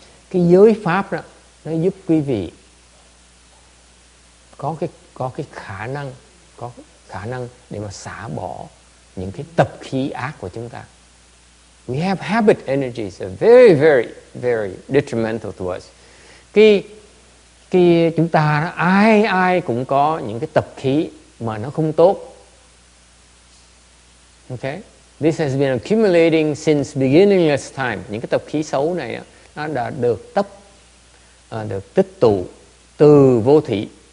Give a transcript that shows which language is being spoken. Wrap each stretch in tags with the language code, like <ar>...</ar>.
<vi>Cái giới pháp đó nó giúp quý vị có cái khả năng để mà xả bỏ những cái tập khí ác của chúng ta.</vi> <en>We have habit energies that are very very very detrimental to us.</en> <vi>Cái chúng ta đó, ai cũng có những cái tập khí mà nó không tốt.</vi> <en>Okay, this has been accumulating since beginningless time.</en> <vi>Những cái tập khí xấu này đó, nó đã được tích tụ từ vô thủy.</vi>